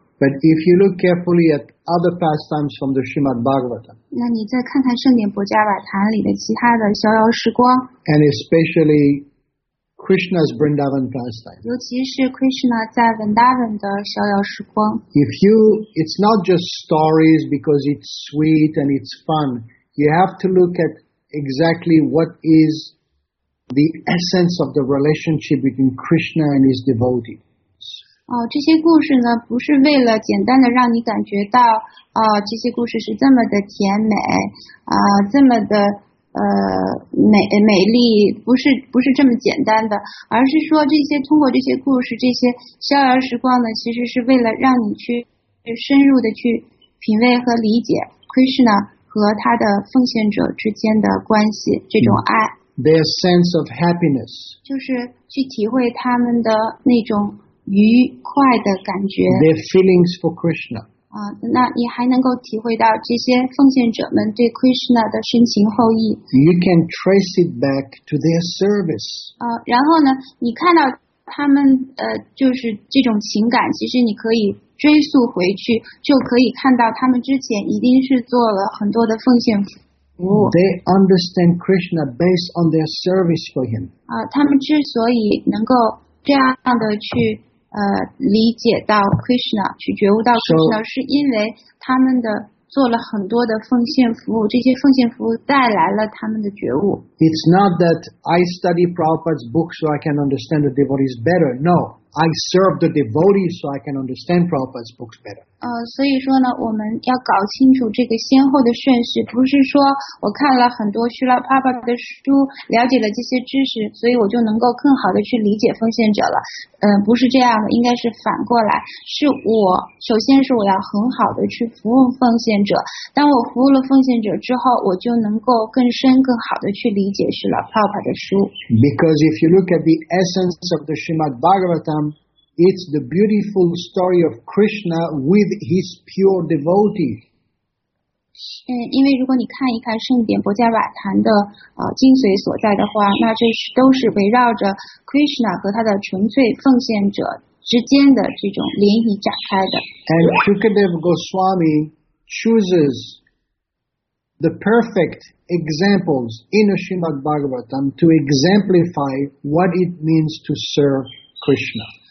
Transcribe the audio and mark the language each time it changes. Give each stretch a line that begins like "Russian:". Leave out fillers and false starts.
English: But if you look carefully at other pastimes from the Srimad Bhagavatam,
Chinese: 那你再看看圣典薄伽瓦坛里的其他的逍遥时光。
English: And especially Krishna's Vrindavan pastime.
Chinese: 尤其是 Krishna 在 Vrindavan 的逍遥时光。
English: If you, it's not just stories because it's sweet and it's fun. You have to look at exactly what is. The essence of the relationship between Krishna and his devotees.
Chinese: 这些故事呢，不是为了简单的让你感觉到，这些故事是这么的甜美，这么的美丽，不是这么简单的，而是说这些通过这些故事，这些逍遥时光呢，其实是为了让你去深入的去品味和理解 Krishna 和他的奉献者之间的关系，这种爱。
English: Their sense of happiness.
Chinese: 就是去体会他们的那种愉快的感觉。
English: Their feelings for Krishna.
Chinese: 那你还能够体会到这些奉献者们对 Krishna 的深情厚谊。
English: You can trace it back to their service.
Chinese: 然后呢，你看到他们就是这种情感，其实你可以追溯回去，就可以看到他们之前一定是做了很多的奉献服务。
English: They understand Krishna based on their service for him.
Chinese: 他们之所以能够这样的去理解到 Krishna 去觉悟到 Krishna、so, 是因为他们的做了很多的奉献服务这些奉献服务带来了他们的觉悟
English: It's not that I study Prabhupada's book so I can understand the devotees better No, I serve the devotees so I can understand Prabhupada's books better
Chinese: 所以说呢我们要搞清楚这个先后的顺序不是说我看了很多Srila Prabhupada的书了解了这些知识所以我就能够更好的去理解奉献者了不是这样的应该是反过来是我首先是我要很好的去服务奉献者当我服务了奉献者之后我就能够更深更好的去理解Srila Prabhupada的书
English: Because if you look at the essence of the Srimad Bhagavatam It's the beautiful story of Krishna with his pure devotees
Chinese: 因为如果你看一看圣典博迦瓦坛的精髓所在的话那这都是围绕着 Krishna 和他的纯粹奉献者之间的这种联谊展开的
English: And Shukadeva Goswami chooses the perfect examples in a Srimad Bhagavatam to exemplify what it means to serve Krishna